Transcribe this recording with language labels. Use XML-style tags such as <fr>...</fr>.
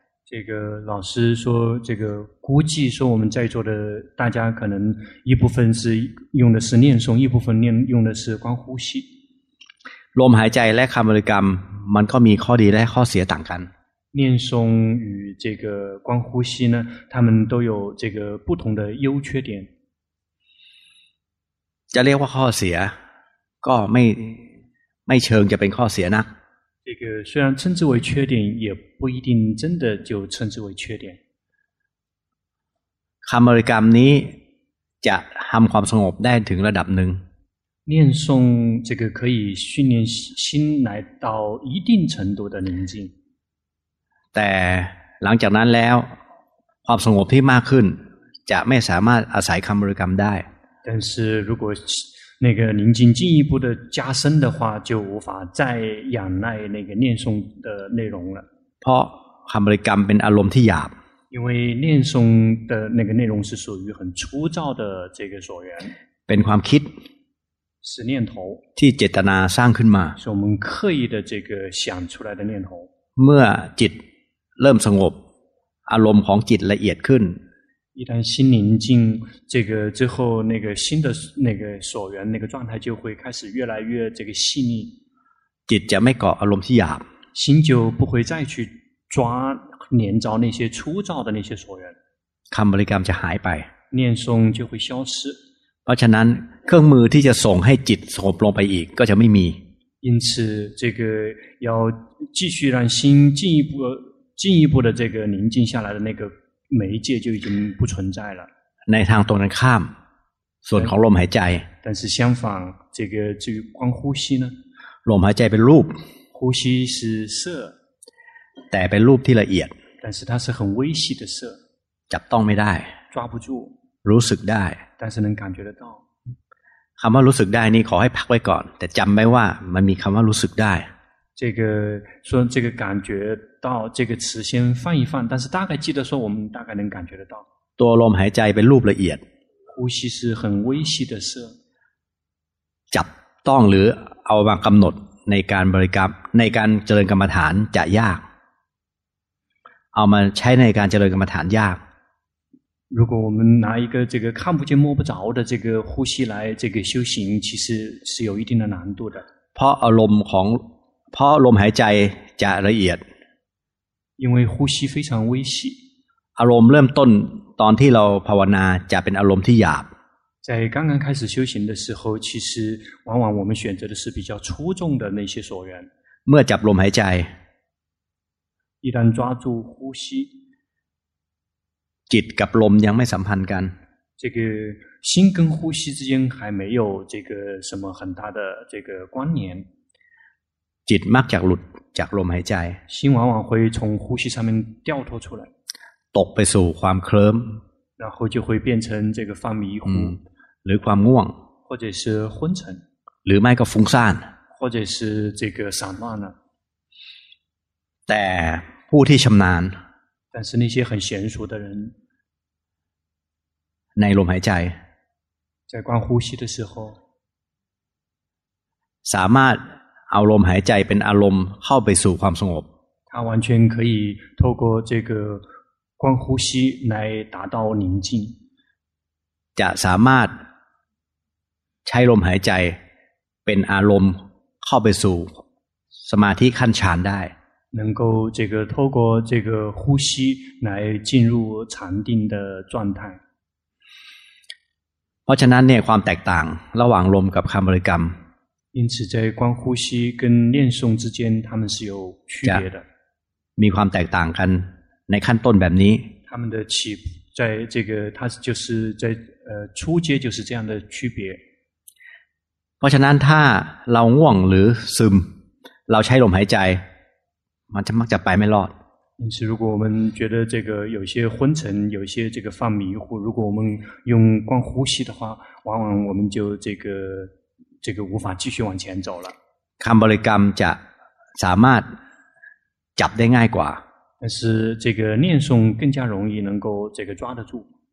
<zh>这个老师说，这个估计说我们在座的大家可能一部分是用的是念诵，一部分念用的是观呼吸。</zh> <th>ลมหายใจและคำบริกรรมมันก็มีข้อดีและข้อเสียต่างกัน。</th> <zh>念诵与这个观呼吸呢，他们都有这个不同的优缺点。</zh> <th>จะเรียกว่าข้อเสียก็ไม่เชิงจะเป็นข้อเสียนะ</th> <zh>这个虽然称之为缺点，也不一定真的就称之为缺点。</zh> <th>คำบริกรรมนี้จะทำความสงบได้ถึงระดับหนึ่ง。</th> <zh>念诵这个可以训练心来到一定程度的宁静。</zh> <th>แต่หลังจากนั้นแล้วความสงบที่มากขึ้นจะไม่สามารถอาศัยคำบริกรรมได้。</th> <zh>但是如果那个宁静进一步的加深的话，就无法再仰赖那个念诵的内容了。</zh> <th>เพราะคำบริกรรมเป็นอารมณ์ที่หยาบ</th> <zh>因为念诵的那个内容是属于很粗糙的这个所缘。</zh> <th>เป็นความคิด</th> <zh>是念头</zh> <th>ที่เจตนาสร้างขึ้นมา</th> <zh>是我们刻意的这个想出来的念头。</zh> <th>เมื่อจิตเริ่มสงบอารมณ์ของจิตละเอียดขึ้น</th> <zh>一旦心宁静，这个之后，那个心的那个所缘那个状态就会开始越来越这个细腻。</zh> <th>จิตจะไม่เกาะอารมณ์ที่หยาบ。</th> <zh>心就不会再去抓黏着那些粗糙的那些所缘。</zh> <th>คำบริกรรมจะหายไป。</th> <zh>念诵就会消失。</zh> <th>เพราะฉะนั้นเครื่องมือที่จะส่งให้จิตสงบลงไปอีกก็จะไม่มี。</th> <zh>因此，这个要继续让心进一步的这个宁静下来的那个。媒介就已经不存在了。</zh> <th>ในทางตรงกันข้ามส่วนของลมหายใจ</th> <zh>但是相反这个至于光呼吸呢</zh> <th>ลมหายใจเป็นรูป</th> <zh>呼吸是色</zh> <th>แต่เป็นรูปที่ละเอียด</th> <zh>但是它是很微细的色</zh> <th>จับต้องไม่ได้</th> <zh>抓不住</zh> <th>รู้สึกได้</th> <zh>但是能感觉得到</zh> <th>คำว่ารู้สึกได้นี่ขอให้พักไว้ก่อนแต่จำไว้ว่ามันมีคำว่ารู้สึกได้</th> <zh>这个说这个感觉到这个词先放一放，但是大概记得说我们大概能感觉得到。</zh> <th>ตัวลมหายใจเป็นรูปละเอียด。</th> <zh>呼吸是很微细的色。</zh> <th>จับต้องหรือเอามากำหนดในการบริกรรมในการเจริญกรรมฐานจะยาก。 เอามาใช้ในการเจริญกรรมฐานยาก。</th> <zh>如果我们拿一个这个看不见摸不着的这个呼吸来这个修行，其实是有一定的难度的。</zh> <th>เพราะอารมณ์ของเพราะลมหายใจจะละเอียด</th> <zh>因为呼吸非常微细</zh> <th>อารมณ์เริ่มต้นตอนที่เราภาวนาจะเป็นอารมณ์ที่หยาบ</th> <zh>在刚刚开始修行的时候其实往往我们选择的是比较粗重的那些所缘</zh> <th>เมื่อจับลมหายใจ</th> <zh>一旦抓住呼吸</zh> <th>จิตกับลมยังไม่สัมพันธ์กัน</th> <zh>这个心跟呼吸之间还没有这个什么很大的这个关联</zh> <th>จิตมักจากหลุดจากลมหายใจ</th> <zh>心往往会从呼吸上面掉脱出来</zh> <th>ตกไปสู่ความเคลิ้ม</th> <zh>然后就会变成这个犯迷糊</zh> <th>หรือความง่วง</th> <zh>或者是昏沉</zh> <th>หรือไม่ก็ฟุ้งซ่าน</th> <zh>或者是这个散乱了</zh> <th>แต่ผู้ที่ชำนาญ</th> <zh>但是那些很娴熟的人</zh> <th>ในลมหายใจ</th> <zh>在观呼吸的时候</zh> <th>สามารถเอาลมหายใจเป็นอารมณ์เข้าไปสู่ความสงบ</th> <zh>他完全可以透过这个观呼吸来达到宁静</zh> <th>จะสามารถใช้ลมหายใจเป็นอารมณ์เข้าไปสู่สมาธิขั้นฌานได้</th> <zh>能够这个透过这个呼吸来进入禅定的状态</zh> <th>ราะฉะนั้นเนี่ยความแตกต่างระหว่างลมกับคำบริกรรม</th> <zh>因此在观呼吸跟念诵之间他们是有区别的</zh> <th>มีความแตกต่างกันในขั้นต้นแบบนี้</th> <zh>他们的起在这个它就是在初阶就是这样的区别</zh> <th>เพราะฉะนั้นถ้าเราง่วงหรือซึมเราใช้ลมหายใจมันจะมักจะไปไม่รอด</th> <zh>因此如果我们觉得这个有些昏沉有些这个犯迷糊如果我们用光呼吸的话往往我们就这个无法继续往前走了</zh> <th>คำบริกรรมจะสามารถจับได้ง่ายกว่า</th> <zh>但是这个念诵更加容易能够这个抓得住</zh>